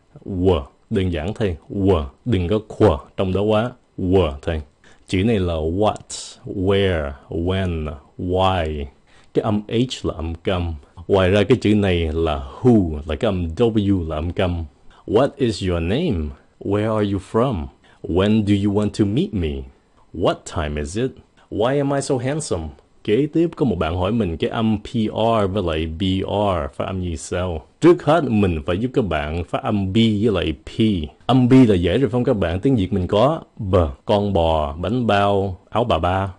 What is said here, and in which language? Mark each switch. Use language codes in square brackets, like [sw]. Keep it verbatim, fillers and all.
[vi] W, đơn giản thôi. W, đừng có qu trong đó quá. W thôi. Chữ này là [en] what, where, when, why. [vi] Cái âm H là âm câm. Ngoài ra cái chữ này là who, là cái âm W là âm câm. [en] What is your name? Where are you from? When do you want to meet me? What time is it? Why am I so handsome? [vi] Kế tiếp có một bạn hỏi mình cái âm pê rờ với lại bê rờ phát âm như sao. Trước hết mình phải giúp các bạn phát âm B với lại P. Âm B là dễ rồi không các bạn? Tiếng Việt mình có b, con bò, bánh bao, áo bà ba.